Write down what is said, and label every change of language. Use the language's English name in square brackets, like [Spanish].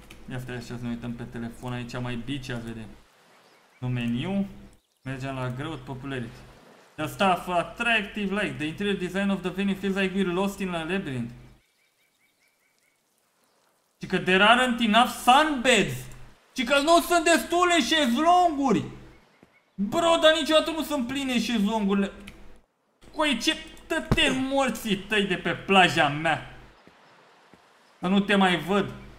[Romanian] Ia stai așa să ne uităm pe telefon, aici mai bici, ați vedem. No menu, mergem la growth, popularity. [English] The staff attractive, like, the interior design of the venue feels like we're lost in a labyrinth. Cică there aren't enough sunbeds. [Romanian] Cică nu sunt destule șezlonguri. Bro, dar niciodată nu sunt pline șezlongurile. Coi, ce... Tăte morții tăi de pe plaja mea. Să nu te mai văd.